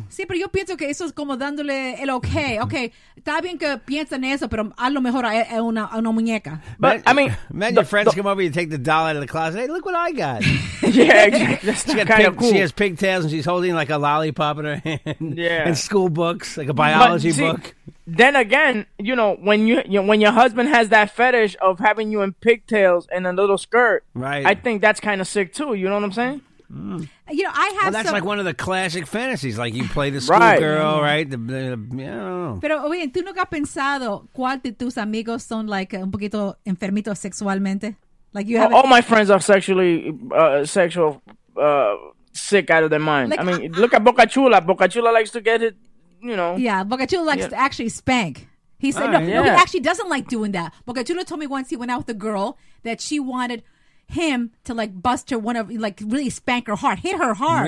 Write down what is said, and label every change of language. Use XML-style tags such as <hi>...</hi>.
<es>Sí, pero yo pienso que eso es como dándole el okay. Okay, está bien que piensen eso, pero a lo mejor es una muñeca.</es> <en>But I mean, man, your friends come over, you take the doll out of the closet. Hey, look what I got. Yeah, that's kind of cool. She has pigtails and she's holding like a lollipop in her hand. Yeah. And school books, like a biology book. Then again, you know, when you when your husband has that fetish of having you in pigtails and a little skirt, right? I think that's kind of sick too. You know what I'm saying? Mm. You know, I have. Well, that's some... like one of the classic fantasies. Like you play the schoolgirl, right? Right? The, yeah.</en> <es>Pero oye, ¿tú nunca has pensado cuál de tus amigos son like un poquito enfermitos sexualmente?</es> <en>Like you have all my friends are sexual sick out of their mind. Like, I mean, look at Boca Chula. Boca Chula likes to get it, you know. Yeah, Boca Chula likes to actually spank. He said, no, he actually doesn't like doing that. Boca Chula told me once he went out with a girl that she wanted him to like bust her one of, like really spank her hard, hit her hard.</en>